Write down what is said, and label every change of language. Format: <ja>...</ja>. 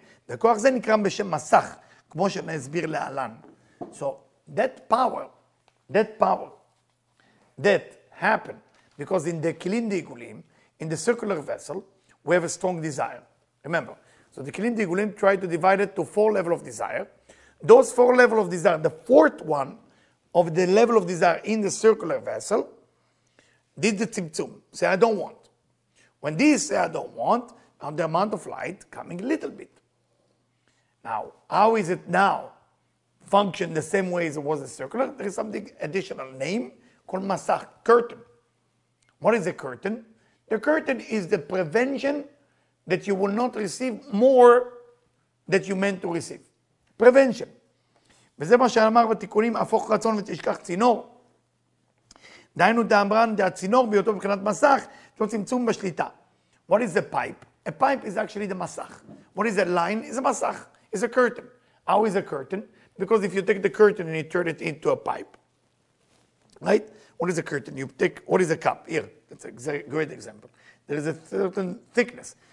<he>הכוח זה נקרא בשם מסך, כמו שאני אסביר לאלן.</he> <en>So, that power, that happened, because in the Kelim Deigulim, in the circular vessel, we have a strong desire. Remember, so the Kelim Deigulim try to divide it to four levels of desire. Those four levels of desire, the fourth one of the level of desire in the circular vessel, did the Tzimtzum, say, I don't want. When these say, I don't want, now the amount of light coming a little bit. Now, how is it now function the same way as it was a circular? There is something additional name called masach, curtain. What is a curtain? The curtain is the prevention that you will not receive more that you meant to receive. Prevention.</en> <he>וזה מה שאמר בתיקונים, הפוך רצון ותשכח צינור. דיינו דאמרן, דה הצינור ביותו מבחינת מסך, לא צמצום בשליטה.</he> <en>What is a pipe? A pipe is actually the masach. What is a line? It's a masach. It's a curtain. How is a curtain? Because if you take the curtain and you turn it into a pipe, right? What is a curtain? You take, what is a cup? Here, that's a great example. There is a certain thickness.</en>